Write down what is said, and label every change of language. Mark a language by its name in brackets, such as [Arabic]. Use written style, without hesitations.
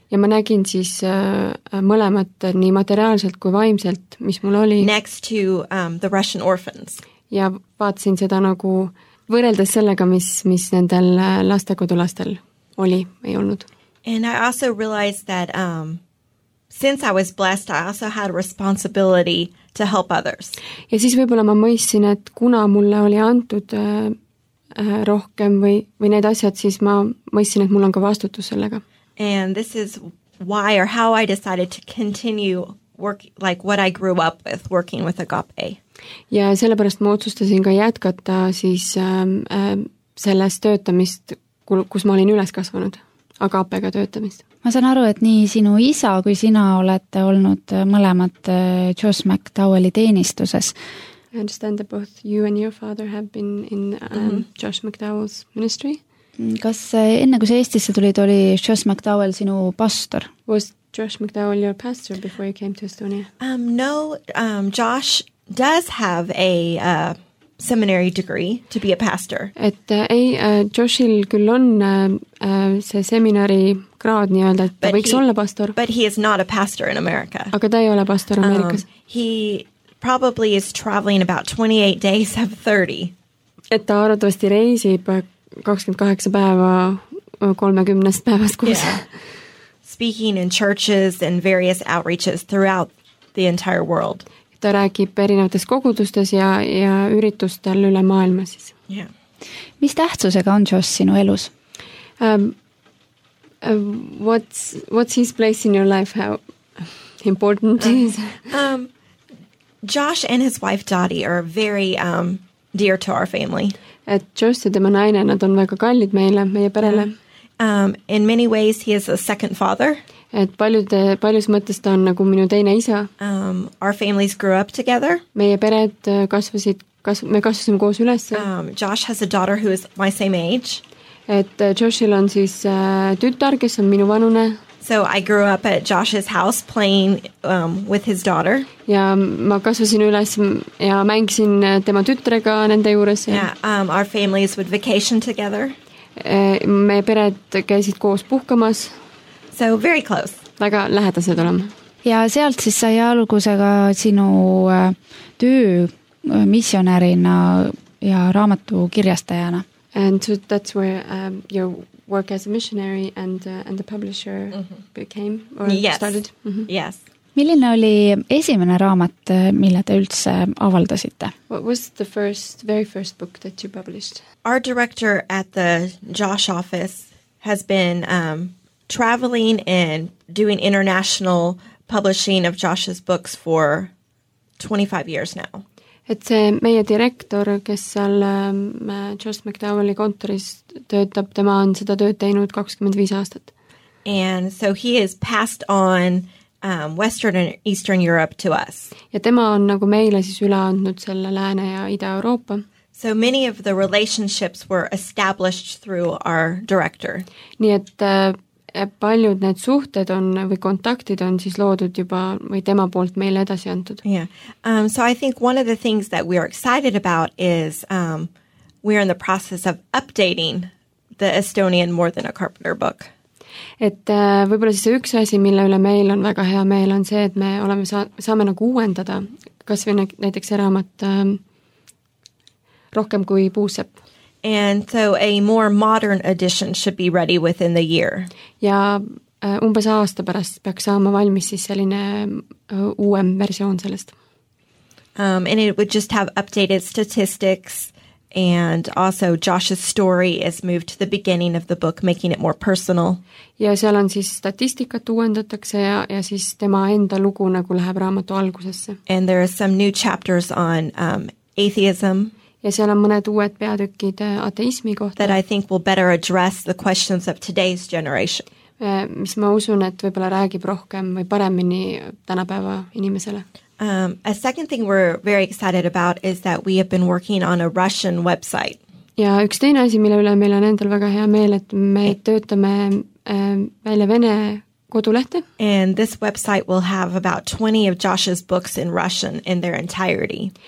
[Estonian] Ja ma nägin siis mõlemat nii materiaalselt kui vaimselt, mis mul oli. [English] Next to the Russian orphans. [Estonian] Ja vaatsin seda nagu võrreldes sellega, mis nendel lastekodulastel oli, ei olnud. [English] And I also realized that since I was blessed, I also had responsibility to help others. [Estonian] Ja siis võib-olla ma mõissin, et kuna mulle oli antud rohkem või need asjad, siis ma mõissin, et mul on ka vastutus sellega. [English] And this is why or how I decided to continue work like what I grew up with working with Agape. [Estonian] Ja sellepärast ma otsustasin ka jätkata siis selles töötamist, kus ma olin üles kasvanud, Agapega töötamist. Ma saan aru, et nii sinu isa kui sina olete olnud mõlemad Joss McDowelli teenistuses. [English] I understand that both you and your father have been in Joss McDowell's ministry. [Estonian] Kas enne kui sa Eestisse tulid, oli Joss McDowell sinu pastor? [English] Was Joss McDowell your pastor before you came to Estonia? No, Josh does have a seminary degree to be a pastor. [Estonian] Et ei, Joshil küll on see seminari kraad nii-öelda, et ta võiks olla pastor. [English] But he is not a pastor in America. [Estonian] Aga ta ei ole pastor Ameerikas. [English] He probably is traveling about 28 days of 30. [Estonian] Et ta arvatavasti reisib 28 päeva 30 päevast kuus. [English] Speaking in churches and various outreaches throughout the entire world. [Estonian] Ta räägib erinevates kogudustes ja üritustel üle maailma siis. Mis tähtsusega on Joss sinu elus? [English] What's his place in your life? How important is? Josh and his wife Dottie are very dear to our family. [Estonian] Et Joss ja tema naine, nad on väga kallid meile, meie perele. [English] In many ways he is a second father. [Estonian] Et paljus mõttes ta on nagu minu teine isa. [English] Our families grew up together. [Estonian] Meie pered me kasvasime koos üles. [English] Josh has a daughter who is my same age. [Estonian] Et Joshil on siis tütar, kes on minu vanune. [English] So I grew up at Josh's house playing with his daughter. [Estonian] Ja ma kasvasin üles ja mängisin tema tütrega nende juures. [English] Our families would vacation together. [Estonian] Meie pered käisid koos puhkamas. [English] So very close. [Estonian] Väga lähedased olema. Ja sealt siis sai algusega sinu töö missionärina ja raamatu kirjastajana. [English] And so that's where your work as a missionary and the publisher became or yes. started. Mm-hmm. Yes. [Estonian] Milline oli esimene raamat, mille te üldse avaldasite? [English] What was the first, very first book that you published? Our director at the Josh office has been traveling and doing international publishing of Josh's books for 25 years now. [Estonian] Et see meie direktor, kes seal Joss McDowelli kontoris töötab, tema on seda tööd teinud 25 aastat. [English] And so he has passed on Western and Eastern Europe to us. [Estonian] Ja tema on nagu meile siis üle andnud selle Lääne ja Ida-Euroopa. [English] So many of the relationships were established through our director. [Estonian] Nii et paljud need suhted on või kontaktid on siis loodud juba või tema poolt meile edasi antud. [English] Yeah. So I think one of the things that we are excited about is we are in the process of updating the Estonian More Than a Carpenter book. [Estonian] Et võib-olla siis üks asi, mille üle meil on väga hea meel, on see, et me oleme saame nagu uuendada, kas või näiteks eraamat rohkem kui puusep. [English] And so a more modern edition should be ready within the year. [Estonian] Ja umbes aasta pärast peaks saama valmis siis selline uuem versioon sellest. [English] And it would just have updated statistics and also Josh's story is moved to the beginning of the book, making it more personal. [Estonian] Ja seal on siis statistikat uuendatakse ja siis tema enda lugu nagu läheb raamatu algusesse. [English] And there are some new chapters on atheism. [Estonian] Ja seal on mõned uued peatükid ateismi kohta. [English] That I think will better address the questions of today's generation. [Estonian] Mis ma usun, et võib-olla räägib rohkem või paremini tänapäeva inimesele. [English] A second thing we're very excited about is that we have been working on a Russian website. [Estonian] Ja üks teine asi, mille üle meil on endal väga hea meel, et me töötame välja Vene kodulehte. [English] And this website will have about 20 of Josh's books in Russian in their entirety.